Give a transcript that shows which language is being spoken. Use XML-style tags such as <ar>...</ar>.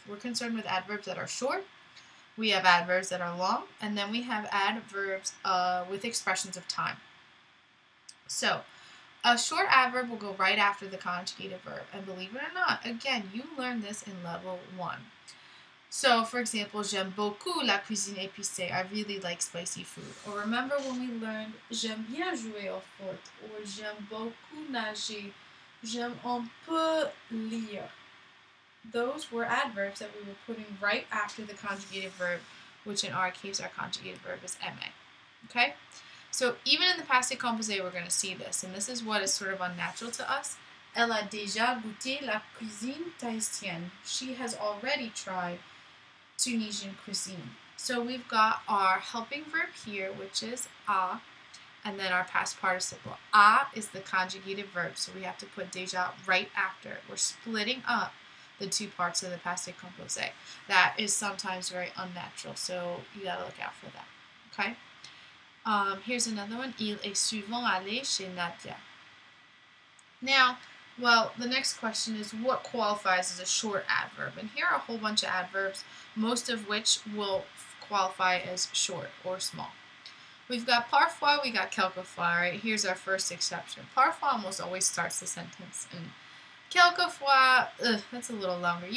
<en>We're concerned with adverbs that are short. We have adverbs that are long. And then we have adverbs with expressions of time. So a short adverb will go right after the conjugated verb, and believe it or not, again, you learn this in level one. So, for example,</en> <fr>j'aime beaucoup la cuisine épicée,</fr> <en>I really like spicy food. Or remember when we learned,</en> <fr>j'aime bien jouer au foot, or j'aime beaucoup nager, j'aime un peu lire.</fr> <en>Those were adverbs that we were putting right after the conjugated verb, which in our case, our conjugated verb is aimé. Okay? So even in the passé composé, we're going to see this, and this is what is sort of unnatural to us.</en> <fr>Elle a déjà goûté la cuisine tahitienne.</fr> <en>She has already tried Tunisian cuisine. So we've got our helping verb here, which is a, and then our past participle. A is the conjugated verb, so we have to put déjà right after. We're splitting up the two parts of the passé composé. That is sometimes very unnatural, so you got to look out for that, okay? Here's another one.</en> <fr>Il est souvent allé chez Nadia.</fr> <en>Now, well, the next question is what qualifies as a short adverb? And here are a whole bunch of adverbs, most of which will qualify as short or small. We've got parfois, we got quelquefois, right? Here's our first exception. Parfois almost always starts the sentence. And quelquefois, that's a little longer.</en>